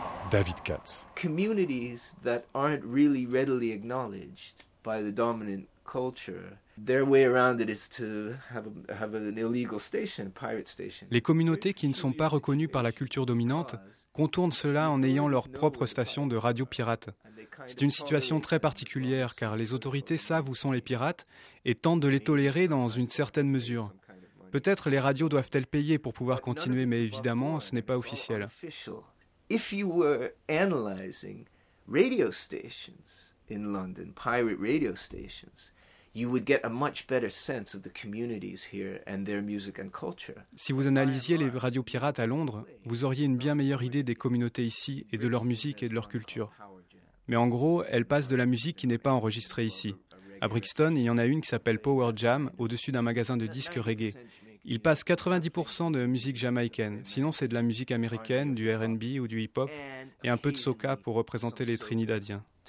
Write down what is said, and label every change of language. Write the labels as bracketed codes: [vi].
[en] David Katz. Communities that aren't really readily acknowledged by the dominant culture, their way around it is to have an illegal station, a pirate station. [fr] Les communautés qui ne sont pas reconnues par la culture dominante contournent cela en ayant leur propre station de radio pirate. C'est une situation très particulière car les autorités savent où sont les pirates et tentent de les tolérer dans une certaine mesure. Peut-être les radios doivent-elles payer pour pouvoir continuer, mais évidemment, ce n'est pas officiel. [en] If you were analyzing radio stations in London, pirate radio stations, you would get a much better sense of the communities here and their music and culture. [fr] Si vous analysiez les radios pirates à Londres, vous auriez une bien meilleure idée des communautés ici et de leur musique et de leur culture. Mais en gros, elles passent de la musique qui n'est pas enregistrée ici. À Brixton, il y en a une qui s'appelle Power Jam, au-dessus d'un magasin de disques reggae. Il passe 90% de musique jamaïcaine, sinon c'est de la musique américaine, du R&B ou du hip-hop, et un peu de soca pour représenter les Trinidadiens.